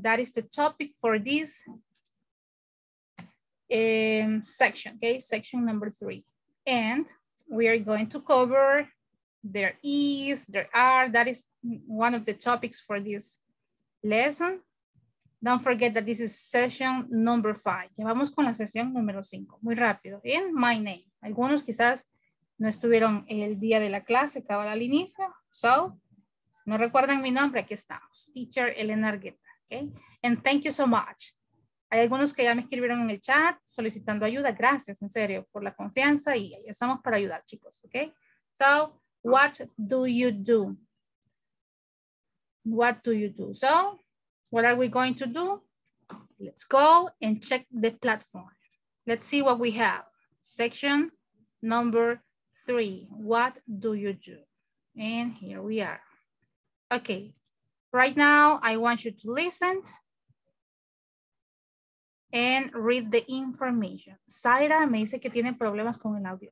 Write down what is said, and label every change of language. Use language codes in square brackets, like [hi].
[en] That is the topic for this section. Okay? Section number three. And we are going to cover there is, there are. That is one of the topics for this lesson. Don't forget that this is session number five. [es] Llevamos con la sesión número cinco. Muy rápido. [en] In my name. [es] Algunos quizás no estuvieron el día de la clase, cabal al inicio. So, no recuerdan mi nombre, aquí estamos. Teacher Elena Argueta. Okay? [en] And thank you so much. [es] Hay algunos que ya me escribieron en el chat solicitando ayuda. Gracias, en serio, por la confianza. Y ahí estamos para ayudar, chicos. Okay? [en] So, what do you do? What do you do? So, what are we going to do? Let's go and check the platform. Let's see what we have. Section number three. What do you do? And here we are. Okay. Right now, I want you to listen and read the information. [es] Zaira me dice que tiene problemas con el audio.